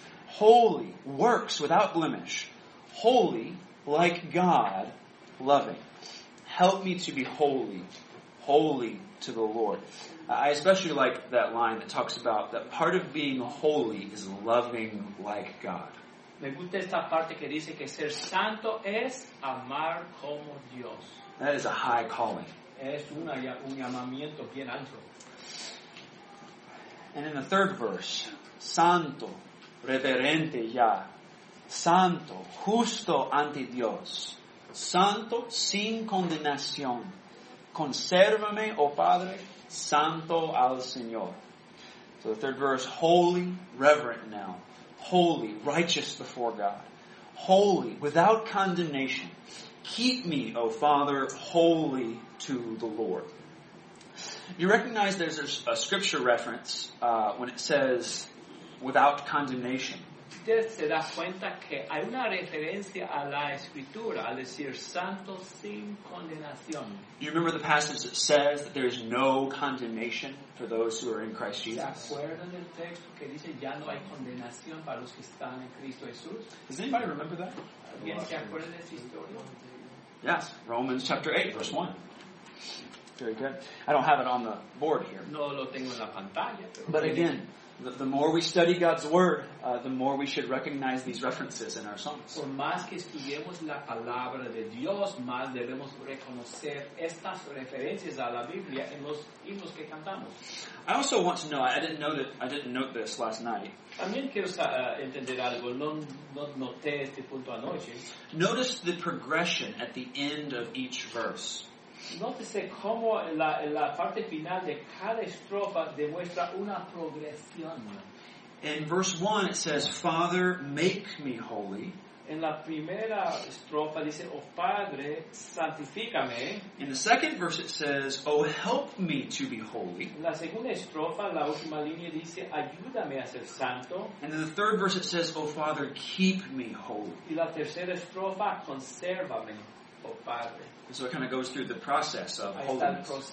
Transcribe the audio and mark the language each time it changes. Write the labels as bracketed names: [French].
[English] holy, works without blemish, holy, like God, loving. Help me to be holy, holy to the Lord. I especially like that line that talks about that part of being holy is loving like God. [Spanish] Me gusta esta parte que dice que ser santo es amar como Dios. [English] That is a high calling. [Spanish] Es un llamamiento bien alto. [English] And in the third verse, [Spanish] santo, reverente ya, santo, justo ante Dios, santo, sin condenación, consérvame, oh Padre, santo al Señor. [English] So the third verse, holy, reverent now, holy, righteous before God, holy, without condemnation, keep me, oh Father, holy to the Lord. You recognize there's a scripture reference when it says without condemnation. [Spanish] Usted se da cuenta que hay una referencia a la escritura al decir santo sin condenación. [English] You remember the passage that says that there is no condemnation for those who are in Christ Jesus? [Spanish] ¿Se acuerdan del texto que dice ya no hay condenación para los que están en Cristo Jesús? [English] Does anybody remember that? [Spanish] ¿Alguien se acuerda de esa historia? [English] Yes, Romans chapter 8, verse 1. Very good. I don't have it on the board here. [Spanish] No lo tengo en la pantalla, pero [English] but again, the more we study God's Word, the more we should recognize these references in our songs. [Spanish] Por más que estudiemos la palabra de Dios, más debemos reconocer estas referencias a la Biblia en los himnos que cantamos. [English] I also want to know, I didn't note this last night. [Spanish] También quiero entender algo. No noté este punto anoche. [English] Notice the progression at the end of each verse. [Spanish] Nótese cómo la parte final de cada estrofa demuestra una progresión. [English] In verse 1 it says, Father, make me holy. [Spanish] En la primera estrofa dice, oh Padre, santifícame. [English] In the second verse it says, oh help me to be holy. [Spanish] En la segunda estrofa, la última línea dice, ayúdame a ser santo. [English] And in the third verse it says, oh Father, keep me holy. [Spanish] Y la tercera estrofa, consérvame. [English] So it kind of goes through the process of holiness.